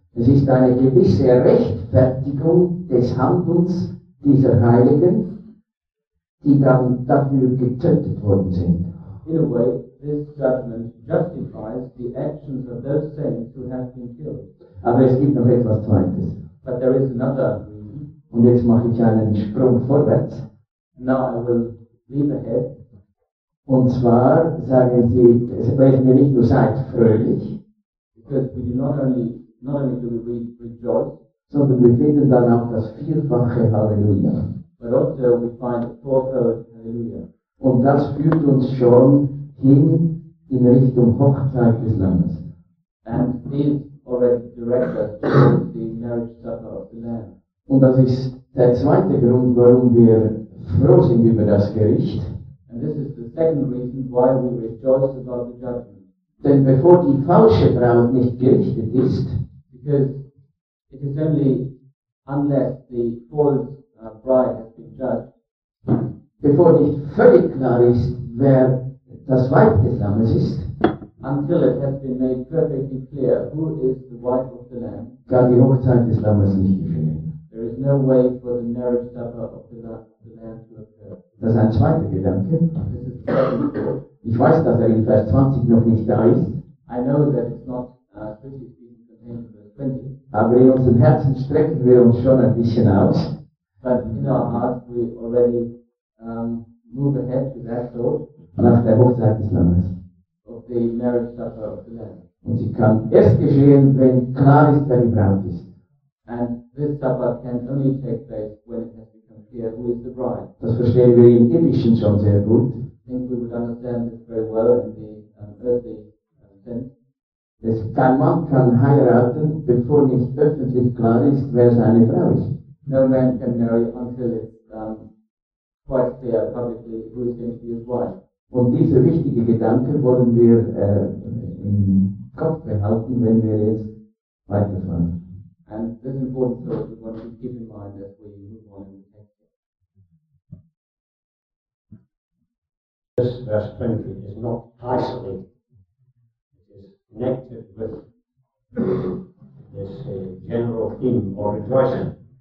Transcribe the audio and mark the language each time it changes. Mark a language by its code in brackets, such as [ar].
[de] Es ist eine gewisse Rechtfertigung des Handelns dieser Heiligen, die dann dafür getötet worden sind. [en] In a way, this judgment justifies the actions of those saints who have been killed. [de] Aber es gibt noch etwas Zweites. [en] But there is another reason. [de] Und jetzt mache ich einen Sprung vorwärts. [en] Now I will leap ahead. [de] Und zwar sagen sie, sprechen wir nicht nur seid fröhlich. [en] Because we do not only do we rejoice, [de] sondern wir finden dann auch das vierfache Halleluja. [en] But also we find the fourfold Halleluja. [de] Und das führt uns schon hin in Richtung Hochzeit des Lammes. [en] And these already direct us towards the marriage supper of the Lamb. [de] Und das ist der zweite Grund, warum wir froh sind über das Gericht. [en] And this is the second reason why we rejoice about the judgment. [de] Denn bevor die falsche Braut nicht gerichtet ist, [en] because it is only unless the false bride has been judged, [de] bevor nicht völlig klar ist, wer das Weib des Lammes ist, [en] until it has been made perfectly clear who is the wife of the Lamb, [de] kann die Hochzeit des Lammes nicht geschehen. [en] There is no way for the marriage supper of the Lamb to occur. [de] Das ist ein zweiter Gedanke. [en] This is the second thought. [de] Ich weiß, dass in Vers 20 noch nicht da ist. [en] I know that it's not strictly speaking contained in verse 20. [de] Aber in unserem Herzen strecken wir uns schon ein bisschen aus. [en] But in our hearts we already move ahead to that thought. [de] Nach der Hochzeit des Lammes. [en] Of the marriage supper of the Lamb. [de] Und sie kann erst geschehen, wenn klar ist, wer die Braut ist. [en] And this supper can only take place when it has become clear who is the bride. [de] Das verstehen wir im Indischen schon sehr gut. [en] I think we would understand this very well in the earthly sense. [de] Kein Mann kann heiraten, bevor nicht öffentlich klar ist, wer seine Frau ist. [en] No man can marry until it's quite clear publicly who is going to be his wife. [de] Und diese wichtige Gedanke wollen wir im Kopf behalten, wenn wir jetzt weiterfahren. [en] And this important thought we want to keep in mind as we move on in the text. This verse 20 is not isolated. It is connected with this general theme of rejoicing.